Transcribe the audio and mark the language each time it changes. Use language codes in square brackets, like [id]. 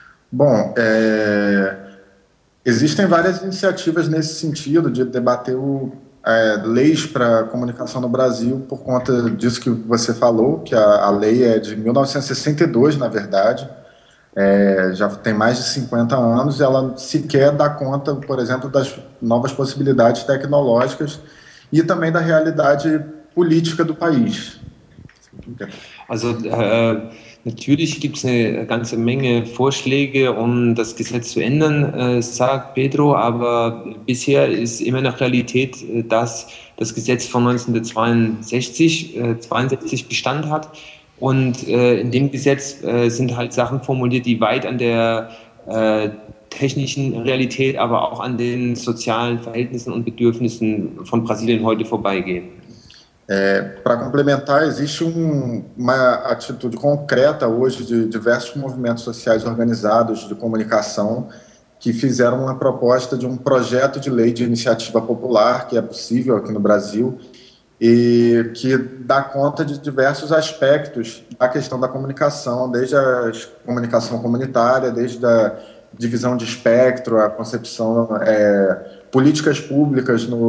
[pt] Bom, existem várias iniciativas nesse sentido de debater leis para comunicação no Brasil, por conta disso que você falou, que a lei é de 1962, na verdade, já tem mais de 50 anos, e ela sequer dá conta, por exemplo, das novas possibilidades tecnológicas e também da realidade política do país. [de] Also, natürlich gibt es eine ganze Menge Vorschläge, um das Gesetz zu ändern, sagt Pedro, aber bisher ist immer noch Realität, dass das Gesetz von 1962 Bestand hat, und in dem Gesetz sind halt Sachen formuliert, die weit an der technischen Realität, aber auch an den sozialen Verhältnissen und Bedürfnissen von Brasilien heute vorbeigehen. [pt] Para complementar, existe uma atitude concreta hoje de diversos movimentos sociais organizados de comunicação que fizeram uma proposta de um projeto de lei de iniciativa popular, que é possível aqui no Brasil, e que dá conta de diversos aspectos da questão da comunicação, desde a comunicação comunitária, desde a divisão de espectro, a concepção, políticas públicas